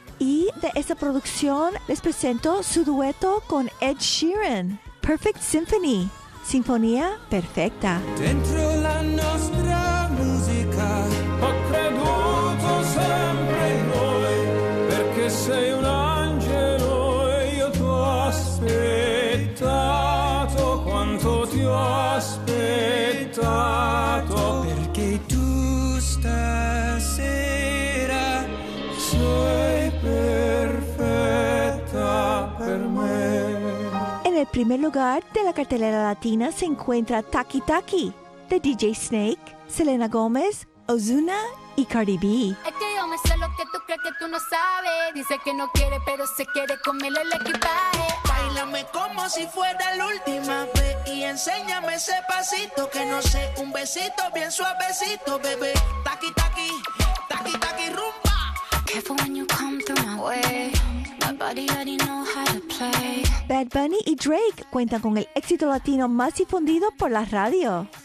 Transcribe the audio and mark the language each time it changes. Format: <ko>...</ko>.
<es>Y de esa producción les presento su dueto con Ed Sheeran, Perfect Symphony, Sinfonía Perfecta.</es> <it>Dentro la nostra musica ho creduto sempre in noi, perché sei un angelo e io t'ho aspettato quanto ti ho aspettato. Perché tu stasera sei perfetta per me.</it> <es>En el primer lugar de la cartelera latina se encuentra Taki Taki de DJ Snake, Selena Gomez, Ozuna y Cardi B. Es que yo me sé lo que tú crees que tú no sabes. Dice que no quiere, pero se quiere comerle el equipaje. Báilame como si fuera la última vez. Y enséñame ese pasito que no sé. Un besito bien suavecito, bebé. Taki, taki, taki, taki, rumba.</es> <en>Careful when you come through my way. My body already know how to play.</en> <es>Bad Bunny y Drake cuentan con el éxito latino más difundido por la radio.</es>